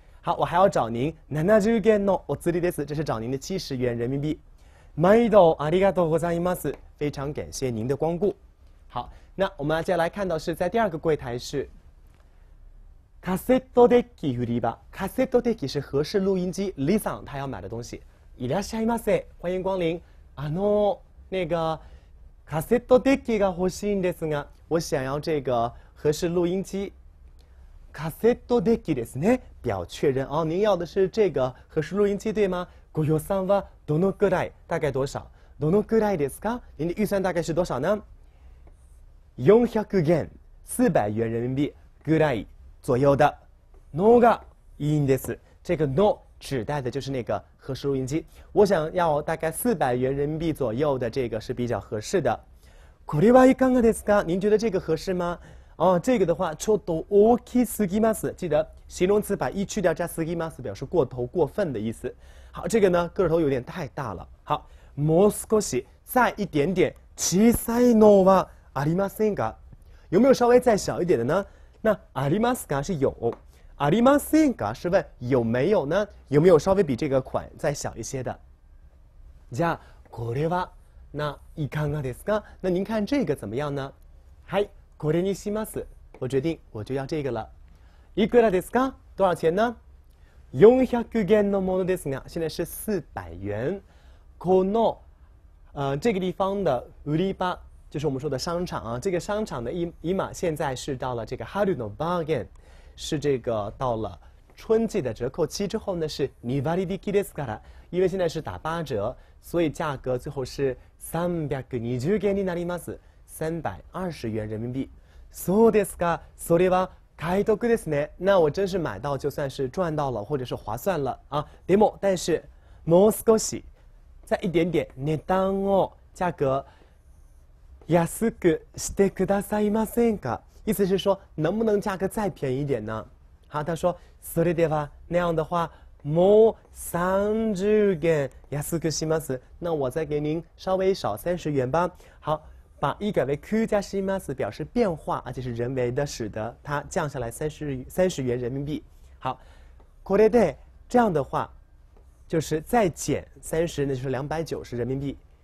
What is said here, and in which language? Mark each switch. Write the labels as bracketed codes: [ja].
[zh] 好，我还要找您 [ja] 70元のお釣りです。 [zh] 这是找您的70元人民币。 [ja] 毎度ありがとうございます。 [zh] 非常感谢您的光顾。好，那我们接下来看到是在第二个柜台是カセットデッキ売り場。カセットデッキ是合适录音机。リさん他要买的东西。 [ja] いらっしゃいませ。 [zh] 欢迎光临。 [ja] あの那个カセットデッキが欲しいんですが， [zh] 我想要这个。 [ja] 合适录音机，カセットデッキですね。 [zh] 表确认哦，您要的是这个合适录音机对吗？ [ja] ご予算はどのくらい？ [zh] 大概多少？ [ja] どのくらいですか？ [zh] 您的预算大概是多少呢？400元，400元人民币。 [ja] ぐらい [zh] 左右的。 [ja] のがいいんです。 [zh] 这个の指代的就是那个合适录音机。我想要大概400元人民币左右的这个是比较合适的。 [ja] これはいかがですか？ [zh] 您觉得这个合适吗？哦，这个的话， [ja] ちょっと大きすぎます。 [zh] 记得形容词把一去掉加すぎます，表示过头、过分的意思。好，这个呢，个头有点太大了。好， [ja] もう少し [zh] 再一点点。 [ja] 小さいのはありませんか？ [zh] 有没有稍微再小一点的呢？那ありますか是有，ありませんか是问有没有呢？有没有稍微比这个款再小一些的？ [ja] じゃあこれは、那いかがですか？ [zh] 那您看这个怎么样呢？はい。 [ja] これにします。 [zh] 我决定，我就要这个了。 [ja] いくらですか？ [zh] 多少钱呢？ [ja] 400元のものですが， [zh] 现在是400元。この这个地方的売り場就是我们说的商场啊。这个商场的伊玛现在是到了这个 [ja] 春のバーゲン， [zh] 是这个到了春季的折扣期之后呢，是 [ja] 2割引きですから。 [zh] 因为现在是打八折，所以价格最后是320元 [ja] になります。 [zh] 320元人民币。 [ja] そうですか、それは買い得ですね。 [zh] 那我真是买到就算是赚到了，或者是划算了啊。でも、但是、 [ja] もう少し、 [zh] 再一点点、 [ja] 値段を、 [zh] 价格、 [ja] 安くしてくださいませんか。 [zh] 意思是说，能不能价格再便宜一点呢？好，他说， [ja] それでは、 [zh] 那样的话、 [ja] もう30元安くします。 [zh] 那我再给您稍微少30元吧。好。把一改为 Q 加 します 表示变化，而且是人为的使得它降下来三十元人民币。好， [ja] これで [zh] 这样的话，就是再减30，那就是290人民币。